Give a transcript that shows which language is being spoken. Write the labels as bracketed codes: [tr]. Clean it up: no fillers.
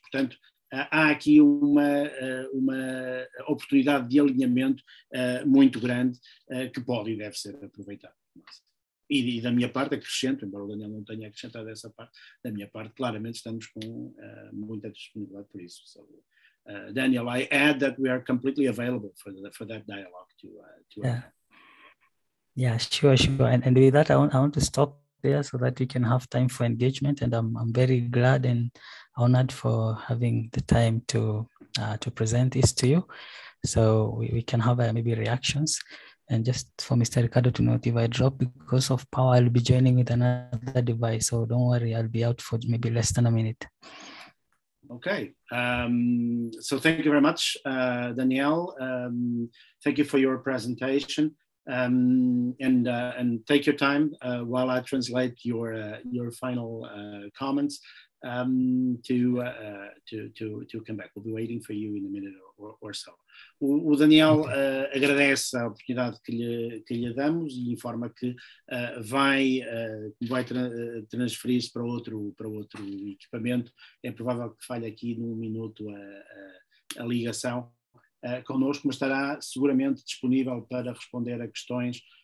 [pt] Portanto, há aqui uma oportunidade de alinhamento muito grande que pode e deve ser aproveitado. E da minha parte, acrescento, embora o Daniel não tenha acrescentado essa parte, da minha parte, claramente estamos com muita disponibilidade por isso. [en] So, Daniel, I add that we are completely available for that dialogue to add. Yeah, sure. And with that, I want to stop there so that we can have time for engagement, and I'm very glad and honored for having the time to present this to you, so we can have maybe reactions. And just for Mr. Ricardo to note, if I drop because of power, I'll be joining with another device, so don't worry, I'll be out for maybe less than a minute. Okay, so thank you very much, Daniel. Thank you for your presentation. And take your time while I translate your final comments to come back. We'll be waiting for you in a minute or so. [pt] O Daniel agradece a oportunidade que lhe damos e informa que vai transferir-se para outro equipamento. É provável que falhe aqui num minuto a ligação connosco, mas estará seguramente disponível para responder a questões